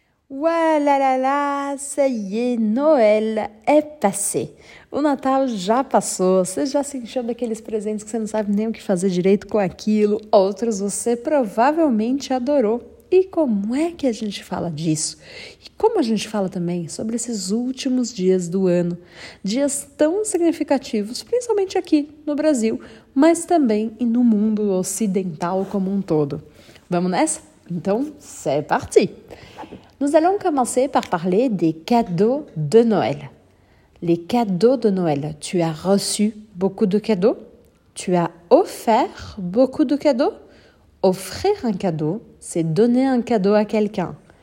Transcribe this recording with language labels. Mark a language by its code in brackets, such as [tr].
[fr] Ouais, là là là, ça y est, Noël est passé. [pt] O Natal já passou. Você já sentiu daqueles presentes que você não sabe nem o que fazer direito com aquilo? Outros você provavelmente adorou. E como é que a gente fala disso? E como a gente fala também sobre esses últimos dias do ano? Dias tão significativos, principalmente aqui no Brasil, mas também no mundo ocidental como um todo. Vamos nessa? Então, [fr] c'est parti! Nous allons commencer par parler des cadeaux de Noël. Les cadeaux de Noël, tu as reçu beaucoup de cadeaux? Tu as offert beaucoup de cadeaux? Offrir un cadeau, c'est donner un cadeau à quelqu'un.